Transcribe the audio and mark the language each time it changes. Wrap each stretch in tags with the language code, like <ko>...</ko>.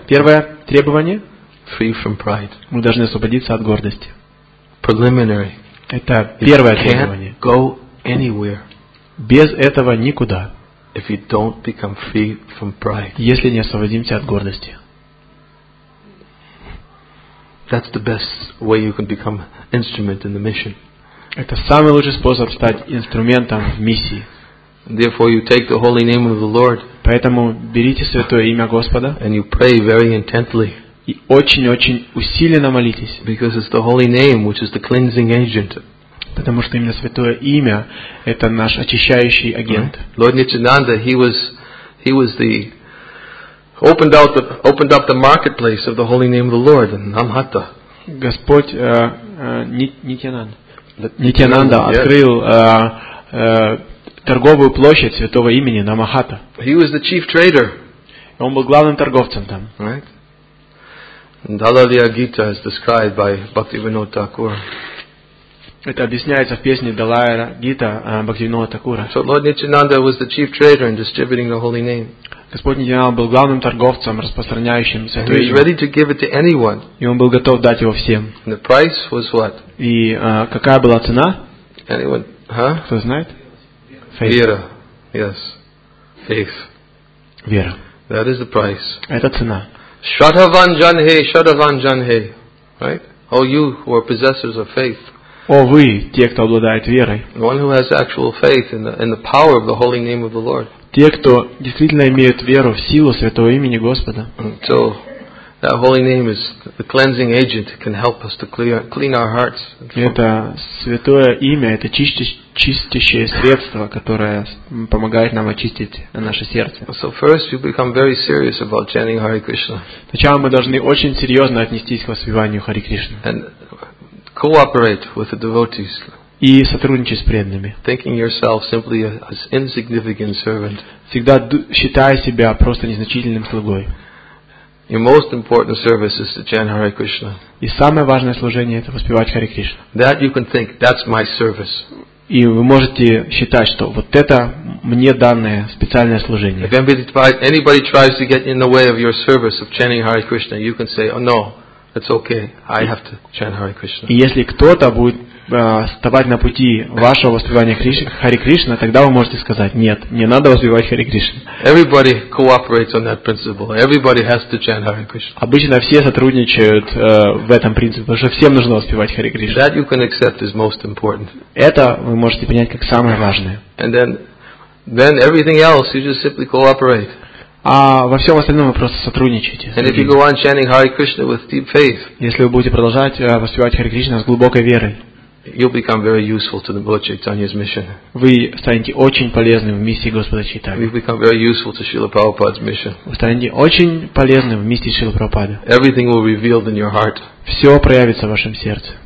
<ru>Первое требование.</ru> <en>Free from pride.</en> <ru>Мы должны освободиться от гордости.</ru> <en>Preliminary.</en> <ru>Это первое требование.</ru> <en>Go anywhere.</en> <ru>Без этого никуда.</ru> <en>If you don't become free from pride.</en> <ru>Если не освободимся от гордости.</ru> <en>That's the best way you can become an instrument in the mission.</en> <ru>Это самый лучший способ стать инструментом в миссии.</ru> <en>Therefore, you take the holy name of the Lord.</en> <ru>Поэтому берите святое имя Господа.</ru> <en>And you pray very intently.</en> <ru>И очень-очень усиленно молитесь.</ru> <en>Because it's the holy name which is the cleansing agent.</en> <ru>Потому что именно святое имя это наш очищающий агент.</ru> <en>Lord Nityananda, he was the opened up the marketplace of the holy name of the Lord in Namhatta.</en> <ru>Господь Нитьянанда открыл торговую площадь святого имени Намахата.</ru> <en>He was the chief trader.</en> <ru>Он был главным торговцем там.</ru> <en>Right. Далалия Гита is described by Бхактивинода Такура.</en> <ru>Это объясняется в песне Далая Гита Бхактивинода Такура.</ru> <en>So Lord Nityananda was the chief trader in distributing the holy name.</en> <ru>Господь Нитьянанда был главным торговцем, распространяющим святое имя.</ru> <en>He was ready to give it to anyone.</en> <ru>И он был готов дать его всем.</ru> <en>And the price was what?</en> <ru>И какая была цена?</ru> <en>Anyone? Huh?</en> <ru>Кто знает?</ru> <en>Faith. Вера. Yes. Faith.</en> <ru>Вера.</ru> <en>That is the price.</en> <ru>Это цена.</ru> <en>Shraddhavanjanhe. Right? All you who are possessors of faith.</en> <ru>О вы, те, кто обладает верой.</ru> <en>One who has actual faith in the power of the holy name of the Lord.</en> <ru>Те, кто действительно имеют веру в силу святого имени Господа.</ru> <en>So, That holy name is the cleansing agent. It can help us to clean our hearts.</en> <ru>Это святое имя, это чистящее средство, которое помогает нам очистить наше сердце.</ru> <en>So first, we become very serious about chanting Hare Krishna.</en> <ru>Сначала мы должны очень серьезно отнестись к воспеванию Хари Кришны.</ru> <en>And cooperate with the devotees.</en> <ru>И сотрудничать с преданными.</ru> <en>Thinking yourself simply as insignificant servant.</en> <ru>Всегда считая себя просто незначительным слугой.</ru> <en>Your most important service is to chant Hare Krishna.</en> <ru>И самое важное служение — это воспевать Хари Кришну.</ru> <en>That you can think, that's my service.</en> <ru>И вы можете считать, что вот это мне данное специальное служение.</ru> <en>If anybody tries to get in the way of your service of chanting Hare Krishna, you can say, oh no, it's okay, I have to chant Hare Krishna.</en> <ru>И если кто-то будет вставать на пути вашего воспевания Хари Кришна, тогда вы можете сказать: нет, не надо воспевать Хари Кришна.</ru> <en>Everybody cooperates on that principle. Everybody has to chant Hare Krishna.</en> <ru>Обычно все сотрудничают в этом принципе, потому что всем нужно воспевать Хари Кришна.</ru> <en>That you can accept is most important.</en> <ru>Это вы можете понять как самое важное.</ru> <en>And then everything else you just simply cooperate.</en> <ru>А во всем остальном вы просто сотрудничаете.</ru> <en>And if you go on chanting Hare Krishna with deep faith.</en> <ru>Если вы будете продолжать воспевать Хари Кришна с глубокой верой.</ru> <en>You'll become very useful to the Lord Chaitanya's mission.</en> <ru>Вы станете очень полезны в миссии Господа Чайтаньи.</ru> <en>You'll become very useful to Srila Prabhupada's mission.</en> <ru>Вы станете очень полезны в миссии Шрилы Прабхупады.</ru> <en>Everything will be revealed in your heart.</en> <ru>Все проявится в вашем сердце.</ru>